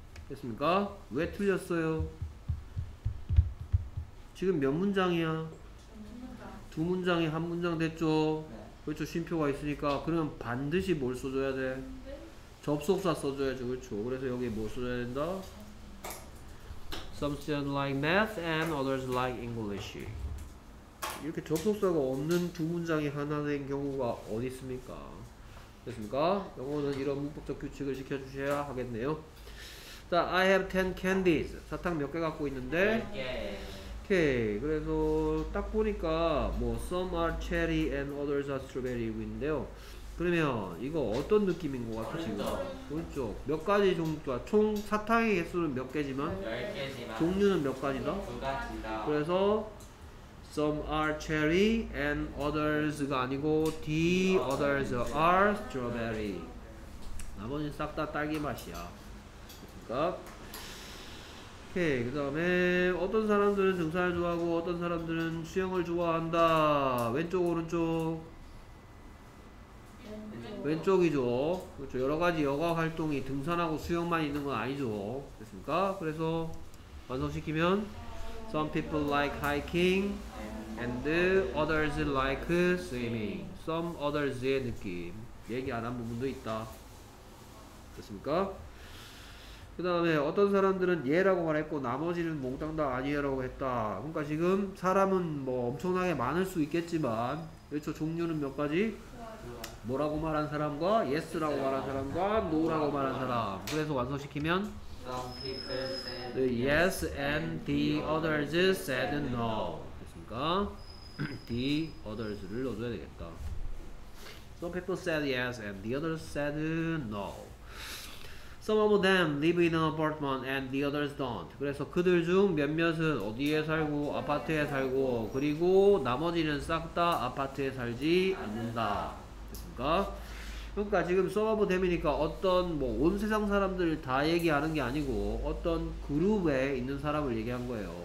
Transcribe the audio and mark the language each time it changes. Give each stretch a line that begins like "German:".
Korean: 됐습니까? 왜 틀렸어요? 지금 몇 문장이야? 두 문장이 한 문장 됐죠. 네. 그렇죠. 쉼표가 있으니까 그러면 반드시 뭘 써줘야 돼? 접속사 써줘야죠. 그렇죠. 그래서 여기 뭐 써줘야 된다?
English: Some students like math and others like English.
Korean: 이렇게 접속사가 없는 두 문장이 하나 된 경우가 어디 있습니까? 됐습니까? 영어는 이런 문법적 규칙을 지켜주셔야 하겠네요. 자, I have 10 candies. 사탕 몇 개 갖고 있는데? 10개. 오케이. 그래서 딱 보니까 뭐 some are cherry and others are strawberry 인데요. 그러면 이거 어떤 느낌인 것 같아 지금? 그렇죠. 몇 가지 종류가 총 사탕의 개수는 몇 개지만 10개지만 종류는 몇 가지다? 두 가지다.
English: 그래서 some are cherry and others가 아니고 the others are strawberry.
Korean: 나머지 싹 다 딸기 맛이야. 그러니까 오케이. 그 다음에 어떤 사람들은 등산을 좋아하고 어떤 사람들은 수영을 좋아한다. 왼쪽 오른쪽 왼쪽이죠. 그렇죠. 여러 가지 여가 활동이 등산하고 수영만 있는 건 아니죠. 됐습니까?
English: 그래서 완성시키면 some people like hiking and others like swimming.
Korean: Some others 의 느낌. 얘기 안 한 부분도 있다. 됐습니까? 그 다음에 어떤 사람들은 예라고 말했고 나머지는 몽땅 다 아니라고 했다. 그러니까 지금 사람은 뭐 엄청나게 많을 수 있겠지만 그렇죠. 종류는 몇 가지? 뭐라고 말한 사람과 yes라고 말한 사람과 no라고 말한 사람. 그래서 완성시키면
English: some people said yes and the others said no.
Korean: 됐습니까? the others 를 넣어줘야 되겠다.
English: Some people said yes and the others said no. Some of them live in an apartment and the others don't.
Korean: 그래서 그들 중 몇몇은 어디에 살고 아파트에 살고 그리고 나머지는 싹 다 아파트에 살지 않는다. 됐습니까? 그러니까 지금 some of them이니까 어떤 뭐 온 세상 사람들 다 얘기하는 게 아니고 어떤 그룹에 있는 사람을 얘기한 거예요.